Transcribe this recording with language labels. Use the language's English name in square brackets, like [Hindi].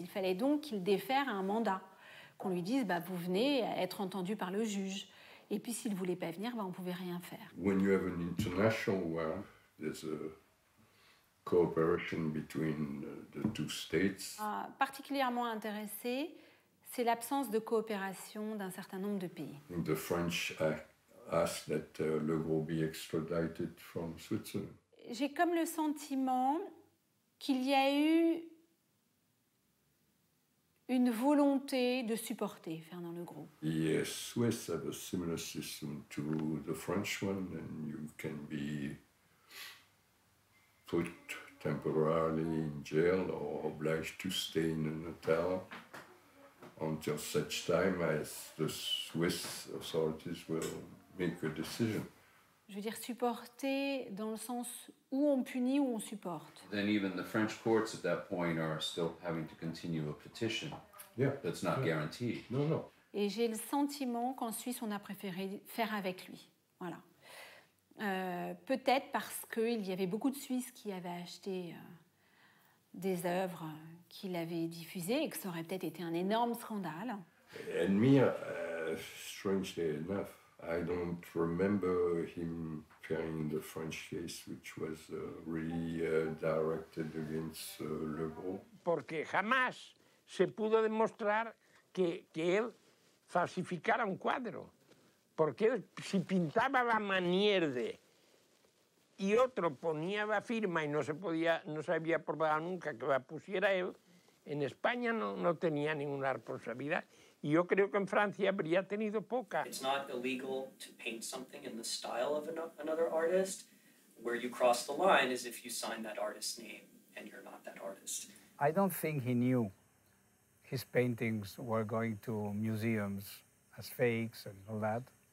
[French] Il fallait donc qu'il défère un mandat, qu'on lui dise, bah, vous venez être entendu par le juge. Et puis s'il ne voulait pas venir, bah, on ne pouvait rien faire. [English] When you have an international warrant, there's a cooperation between the two states. [French] Particulièrement intéressé, c'est l'absence de coopération d'un certain nombre de pays. [English] The French asked that Le Gros be extradited from Switzerland. [French] J'ai comme le sentiment qu'il y a eu une volonté de supporter Fernand Le Gros. [English] Yes, Swiss have a similar system to the French one, and you can be put temporarily in jail or obliged to stay in an hotel until such time as the Swiss authorities will make a decision. [French] Je veux dire supporter dans le sens où on punit ou on supporte. [English] Then even the French courts at that point are still having to continue a petition. Yeah. That's not guaranteed. No, no. [French] Et j'ai le sentiment qu'en Suisse on a préféré faire avec lui. Voilà. Peut-être parce qu'il y avait beaucoup de Suisses qui avaient acheté des œuvres qu'il avait diffusées et que ça aurait peut-être été un énorme scandale. [English] Elmyr, strangely enough, I don't remember him carrying the French case, which was redirected against Le Gros. [Spanish] Porque jamás se pudo demostrar que él falsificara un cuadro. Porque si pintaba la manierde y otro ponía la firma y no se había probado nunca que la pusiera él, en España no tenía ninguna responsabilidad. Y yo creo que en Francia habría tenido poca. [English] It's not illegal to paint something in the style of another artist. Where you cross the line is if you sign that artist's name and you're not that artist. I don't think he knew his paintings were going to museums as fakes and all that.